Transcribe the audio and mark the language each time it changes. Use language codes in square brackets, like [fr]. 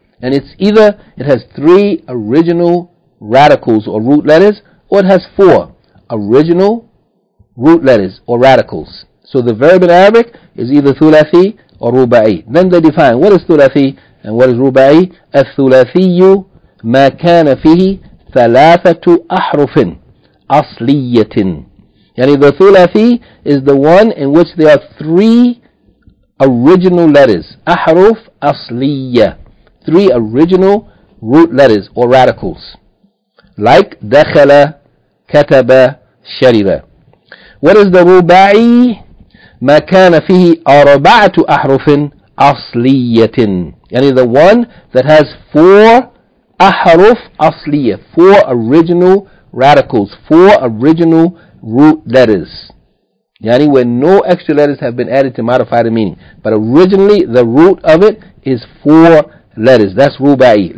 [en] And it's either, it has three original radicals or root letters, or it has four original root letters or radicals. So the verb in Arabic is either thulathi or ruba'i. Then they define, what is thulathi and what is ruba'i? [ar] Al-thulathiyu ما كان فيه ثلاثة أحرف أصلية. [en] يعني the ثلاثي is the one in which there are three original letters. [ar] أحرف أصلية. [en] Three original root letters or radicals. [ar] Like دخل كتب شرب. What is the رباعي؟ ما كان فيه أربعة أحرف أصلية. [en] يعني the one that has four أحرف أصلية, four original radicals, four original root letters. Yani where no extra letters have been added to modify the meaning. But originally the root of it is four letters. That's ruba'i.